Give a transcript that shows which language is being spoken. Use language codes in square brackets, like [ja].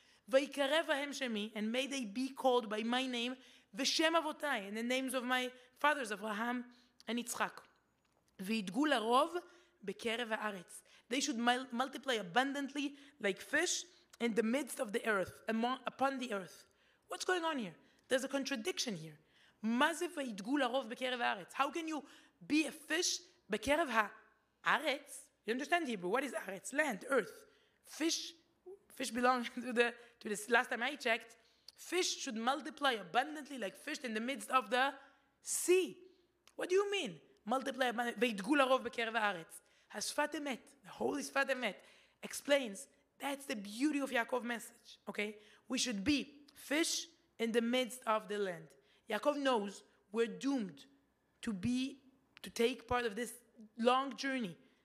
[he] Vayikarev ahem shemi, [en] and may they be called by my name, [he] v'shem avotai, [en] and the names of my fathers, Abraham and Yitzchak. [he] וידגו לרוב בקרב הארץ. [en] They should multiply abundantly like fish in the midst of the earth, upon the earth. What's going on here? There's a contradiction here. [he] מה זה וידגו לרוב בקרב הארץ? [en] How can you be a fish [he] בקרב הארץ? [en] You understand Hebrew? What is הארץ? Land, earth. Fish belong to the last time I checked. Fish should multiply abundantly like fish in the midst of the sea. What do you mean? [he] Multiply ויתגו לרוב בקרב הארץ. [en] השפת אמת, the holy שפת אמת, explains that's the beauty of Yaakov's message. Okay? We should be fish in the midst of the land. Yaakov knows we're doomed to take part of this long journey.